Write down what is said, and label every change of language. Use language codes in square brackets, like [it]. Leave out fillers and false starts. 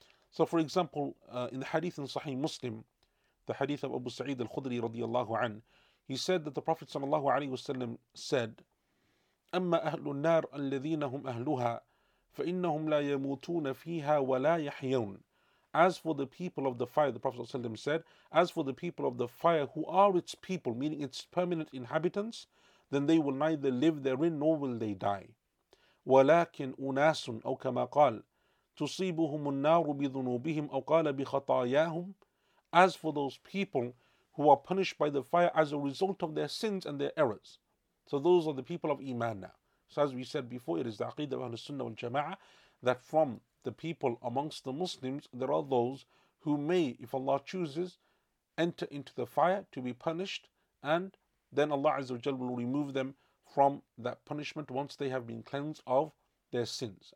[en] So, for example, in the hadith in Sahih Muslim, the hadith of Abu Sa'id al-Khudri radiallahu an, he said that the Prophet sallallahu alayhi wa sallam said, أَمَّا أَهْلُ النَّارُ الَّذِينَ هُمْ أَهْلُهَا فَإِنَّهُمْ لَا يَمُوتُونَ فِيهَا وَلَا يَحْيَوْنَ. As for the people of the fire, the Prophet ﷺ said, as for the people of the fire who are its people, meaning its permanent inhabitants, then they will neither live therein nor will they die. [ar] وَلَكِنْ أُنَاسٌ أَوْ كَمَا قَالْ تُصِيبُهُمُ النَّارُ بِذُنُوبِهِمْ أَوْ قَالَ بِخَطَايَاهُمْ. [en] As for those people who are punished by the fire as a result of their sins and their errors. So those are the people of Iman now. So as we said before, it is the Aqidah of Ahl-Sunnah wal-Jama'ah that from the people amongst the Muslims, there are those who may, if Allah chooses, enter into the fire to be punished, and then Allah Azza wa Jalla will remove them from that punishment once they have been cleansed of their sins.